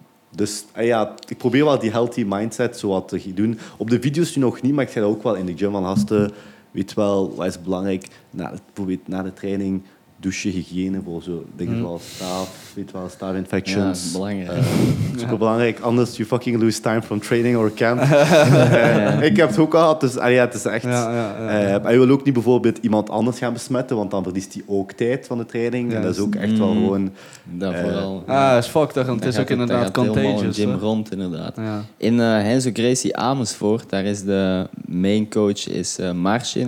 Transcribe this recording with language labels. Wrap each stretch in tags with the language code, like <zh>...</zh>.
<nl>Dus ik probeer wel die healthy mindset zo wat te doen. Op de video's nu nog niet, maar ik zei dat ook wel in de gym van gasten. Weet wel, wat is belangrijk? Bijvoorbeeld na de training, douchen, hygiëne, voor zo dingen zoals staaf infections. Ja, belangrijk. Super belangrijk. Anders</nl> <en>you fucking lose time from training or camp.</en> <nl>Ik heb het ook gehad, dus het is echt. En je wil ook niet bijvoorbeeld iemand anders gaan besmetten, want dan verliest hij ook tijd van de training. Ja, en dat is ook echt wel gewoon. Dat vooral. Is fucked, want het is ook inderdaad contagious. Gym rond, inderdaad. Ja. In Hensel Gracie Amersfoort, daar is de main coach Marcin.</nl>